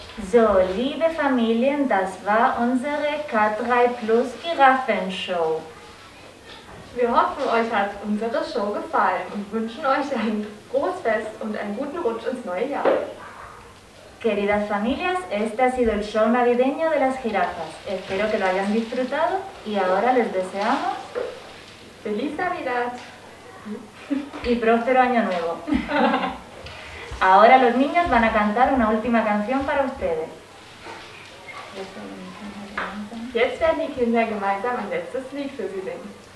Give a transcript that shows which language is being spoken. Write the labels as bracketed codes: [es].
[de] So, liebe Familien, das war unsere K3 Plus Giraffenshow. Wir hoffen, euch hat unsere Show gefallen und wünschen euch ein großes Fest und einen guten Rutsch ins neue Jahr. [es] Queridas familias, este ha sido el show navideño de las jirafas. Espero que lo hayan disfrutado y ahora les deseamos Feliz Navidad y próspero año nuevo. Ahora los niños van a cantar una última canción para ustedes. [de] Jetzt werden die Kinder gemeinsam ein letztes Lied für sie singen.